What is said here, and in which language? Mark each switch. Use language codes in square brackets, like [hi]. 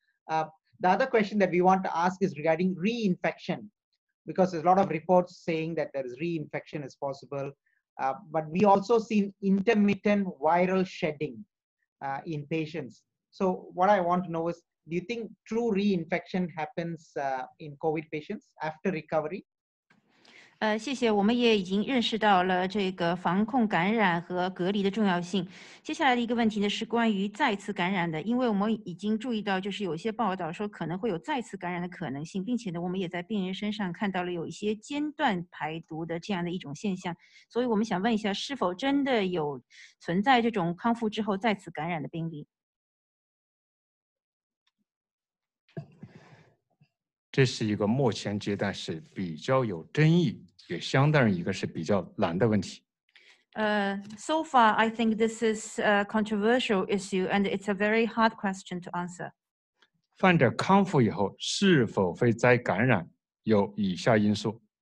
[en] The other question that we want to ask is regarding reinfection, because there's a lot of reports saying that there is reinfection is possible. But we also seen intermittent viral shedding in patients. So what I want to know is, do you think true reinfection happens in COVID patients after recovery? [zh] 谢谢，我们也已经认识到了这个防控感染和隔离的重要性。接下来的一个问题呢，是关于再次感染的，因为我们已经注意到，就是有些报道说可能会有再次感染的可能性，并且呢，我们也在病人身上看到了有一些间断排毒的这样的一种现象。所以我们想问一下，是否真的有存在这种康复之后再次感染的病例？这是一个目前阶段是比较有争议，也相当于一个是比较难的问题。 [en] So far, I think this is a controversial issue, and it's a very hard question to answer. [zh] 患者康复以后是否会再感染，有以下因素。